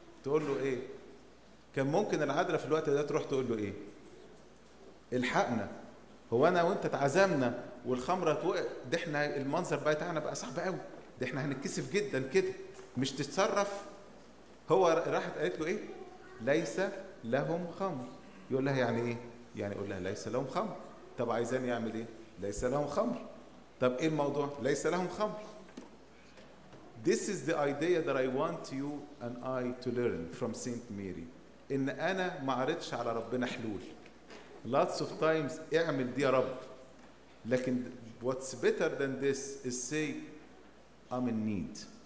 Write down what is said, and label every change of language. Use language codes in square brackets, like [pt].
[ar] تقول له ايه؟ كان ممكن العذراء في الوقت ده تروح تقول له ايه؟ الحقنا, هو انا وانت اتعزمنا والخمره اتوقف ده احنا المنظر بتاعنا بقى صعب قوي, ده احنا هنتكسف جدا كده مش تتصرف. هو راحت قالت له ايه؟ ليس لهم خمر. يقول لها يعني ايه؟ يعني يقول لها ليس لهم خمر. طب عايزين يعمل ايه؟ ليس لهم خمر. طب ايه الموضوع؟ ليس لهم خمر. [en] This is the idea that I want you and I to learn from Saint Mary. [ar] ان انا ما عرضش على ربنا حلول. [en] Lots of times [ar] اعمل دي يا رب. [en] لكن what's better than this is say I'm in need.